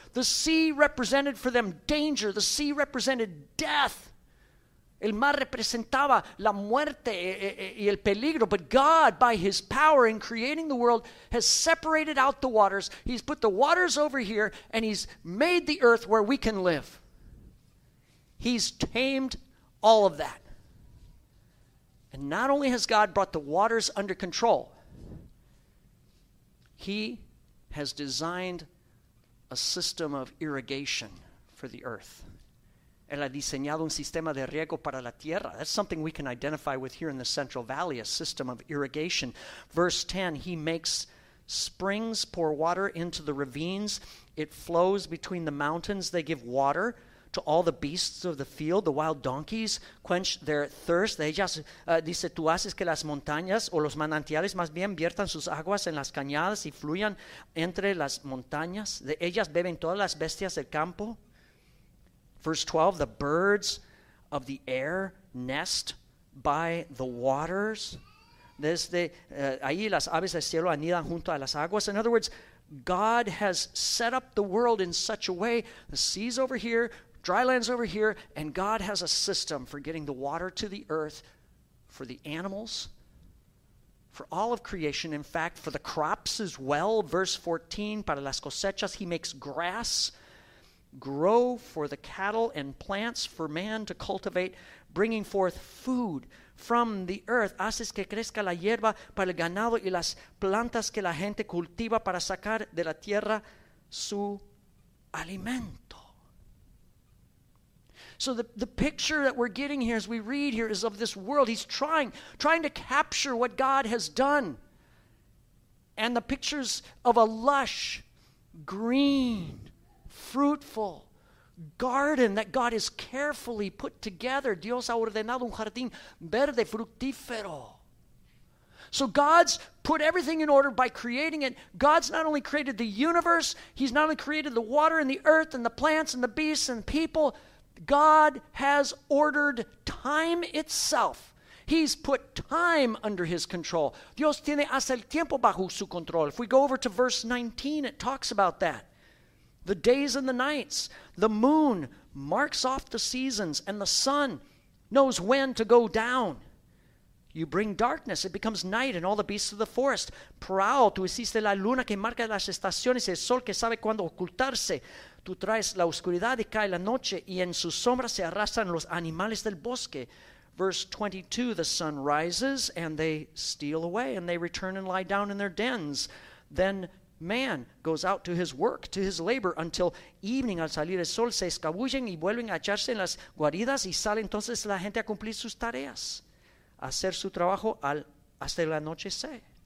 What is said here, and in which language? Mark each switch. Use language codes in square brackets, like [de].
[en] The sea represented for them danger. The sea represented death. [es] El mar representaba la muerte y el peligro. [en] But God, by his power in creating the world, has separated out the waters. He's put the waters over here, and he's made the earth where we can live. He's tamed all of that. And not only has God brought the waters under control, he has designed a system of irrigation for the earth. [es] Él ha diseñado un sistema de riego para la tierra. [en] That's something we can identify with here in the Central Valley, a system of irrigation. Verse 10, he makes springs pour water into the ravines. It flows between the mountains. They give water to all the beasts of the field. The wild donkeys quench their thirst. [es] Dice, tú haces que las montañas o los manantiales más bien viertan sus aguas en las cañadas y fluyan entre las montañas. De ellas beben todas las bestias del campo. [en] Verse 12, the birds of the air nest by the waters. [es] Ahí las aves del cielo anidan junto a las aguas. [en] In other words, God has set up the world in such a way, the seas over here, dry lands over here, and God has a system for getting the water to the earth, for the animals, for all of creation, in fact, for the crops as well. Verse 14, [es] para las cosechas, [en] he makes grass grow for the cattle and plants for man to cultivate, bringing forth food from the earth. [es] Haces que crezca la hierba para el ganado y las plantas que la gente cultiva para sacar de la tierra su alimento. [en] So the picture that we're getting here as we read here is of this world. He's trying to capture what God has done. And the pictures of a lush, green, fruitful garden that God has carefully put together. [es] Dios ha ordenado un jardín verde fructífero. [en] So God's put everything in order by creating it. God's not only created the universe, he's not only created the water and the earth and the plants and the beasts and people. God has ordered time itself. He's put time under his control. [es] Dios tiene hasta el tiempo bajo su control. [en] If we go over to verse 19, it talks about that. The days and the nights, the moon marks off the seasons, and the sun knows when to go down. You bring darkness, it becomes night, and all the beasts of the forest prowl. [es] Tú hiciste la luna que marca las estaciones, el sol que sabe cuándo ocultarse. Tú traes la oscuridad y cae la noche, y en su sombra se arrastran los animales del bosque. [en] Verse 22, the sun rises, and they steal away, and they return and lie down in their dens. Then man goes out to his work, to his labor, until evening, [es] al salir el sol, se escabullen y vuelven a echarse en las guaridas y sale entonces la gente a cumplir sus tareas, a hacer su trabajo hasta el anochecer.